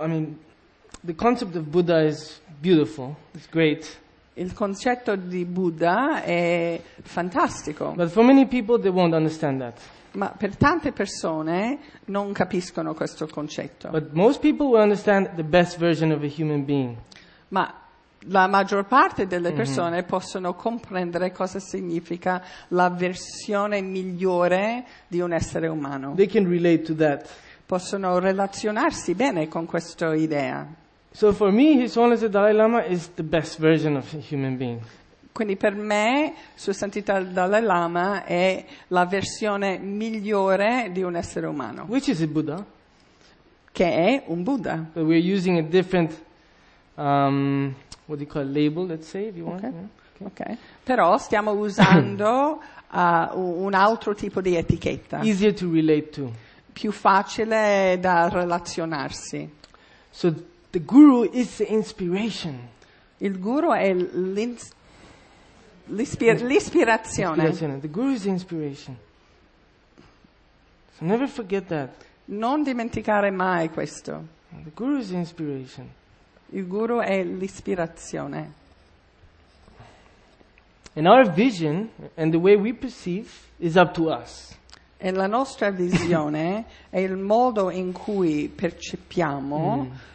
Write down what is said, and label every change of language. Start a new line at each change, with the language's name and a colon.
English: I mean, the concept of Buddha is beautiful. It's great.
Italian: Il concetto di Buddha è fantastico.
English: But for many people they won't understand that.
Italian: Ma per tante persone non capiscono questo concetto.
English: But most people will understand the best version of a human being.
Italian: Ma la maggior parte delle persone possono comprendere cosa significa la versione migliore di un essere umano.
English: They can relate to that.
Italian: Possono relazionarsi bene con questa idea.
English: So for me, His Holiness the Dalai Lama is the best version of a human being.
Italian: Quindi per me, Sua Santità il Dalai Lama è la versione migliore di un essere umano.
English: Which is a Buddha.
Italian: Che è un Buddha.
English: But we're using a different, what do you call it, label, let's say, if you want. Okay. Yeah. Okay.
Italian: Però stiamo usando un altro tipo di etichetta.
English: Easier to relate to.
Italian: Più facile da relazionarsi.
English: So the guru is the inspiration.
Italian: Il guru è l'ispirazione.
English: The guru is the inspiration. So never forget that.
Italian: Non dimenticare mai questo.
English: The guru is the inspiration.
Italian: Il guru è l'ispirazione.
English: And our vision and the way we perceive is up to us.
Italian: E la nostra visione è il modo in cui percepiamo.